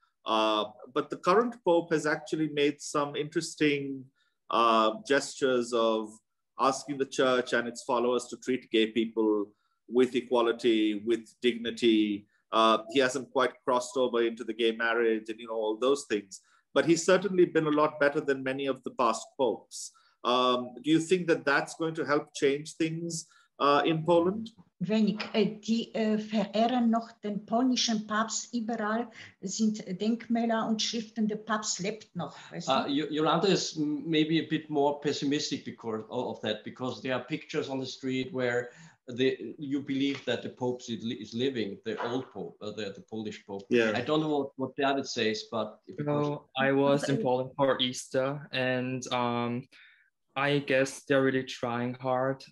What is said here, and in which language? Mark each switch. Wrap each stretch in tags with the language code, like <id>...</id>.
<en>But the current Pope has actually made some interesting gestures of asking the church and its followers to treat gay people with equality, with dignity. He hasn't quite crossed over into the gay marriage and, you know, all those things. But he's certainly been a lot better than many of the past popes. Do you think that that's going to help change things in Poland?</en> <de>Wenig. Die verehren noch den polnischen Papst überall, sind Denkmäler und Schriften, der Papst lebt noch.</de> <en>Jolanta is maybe a bit more pessimistic because of that, because there are pictures on the street where you believe that the Pope is living, the old Pope, the Polish Pope. Yeah. I don't know what David says, but... I was in Poland for Easter, and... I guess they're really trying hard.</en>